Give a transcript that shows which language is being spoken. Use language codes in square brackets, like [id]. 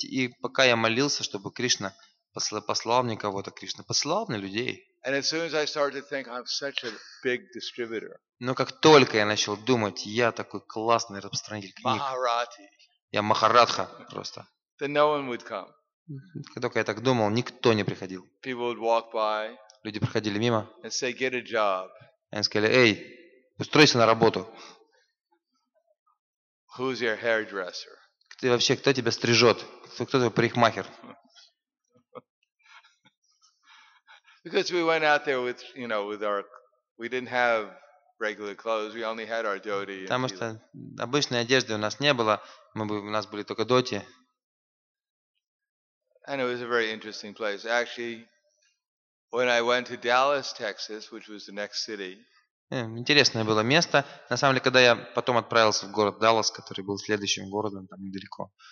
[ru] И пока я молился, чтобы Кришна послал мне кого-то, Кришна посылал мне людей. [en] And as soon as I started to think, I'm such a big distributor. [ru] Но как только я начал думать, я такой классный распространитель книг. Махарати. Я Махарадха просто. [en] Then no one would come. [ru] Когда я так думал, никто не приходил. [en] People would walk by. [ru] Люди проходили мимо. [en] And say, get a job. [ru] Они сказали, эй, устройся на работу. [en] Who's your hairdresser? [ru] Ты вообще, кто тебя стрижет? Кто твой парикмахер? [en] Because we went out there with, you know, with our, we didn't have regular clothes. We only had our dhoti. [ru] Потому что обычной одежды у нас не было. У нас были только dhoti. [en] And it was a very interesting place. Actually, when I went to Dallas, Texas, which was the next city. [ru] Интересное было место. На самом деле, когда я потом отправился в город Даллас, который был следующим городом, там недалеко.